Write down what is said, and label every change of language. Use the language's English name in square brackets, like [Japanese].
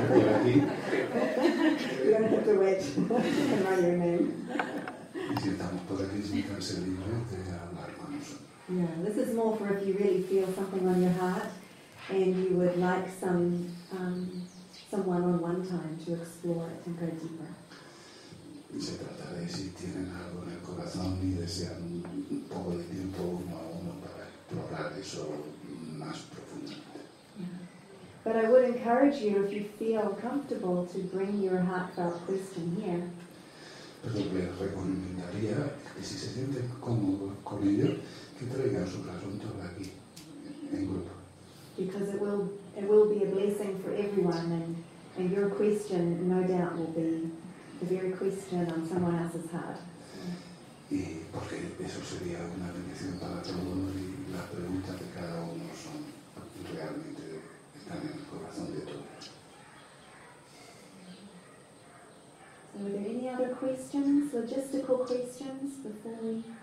[English] You don't have to wait to know your name. [Spanish] Y si estamos por aquí sin cárcel libre, te alarmamos. [English] Yeah, this is more for if you really feel something on your heart and you would like some one-on-one time to explore it and go deeper. [Spanish] Se trata de si tienen algo en el corazón y desean un poco de tiempo uno a uno para explorar eso más profundamente. [English] Yeah. But I would encourage you, if you feel comfortable, to bring your heartfelt question here. [Spanish] Pero le recomendaría que si se sienten cómodos con ello, que traigan sus asuntos aquí, en grupo. [English] Because it will be a blessing for everyone, and your question no doubt will be the very question on someone else's heart. [Spanish] Y porque eso sería una bendición para todos y las preguntas de cada uno son realmente están en el corazón de todos. [English] So are there any other questions, logistical questions, before we?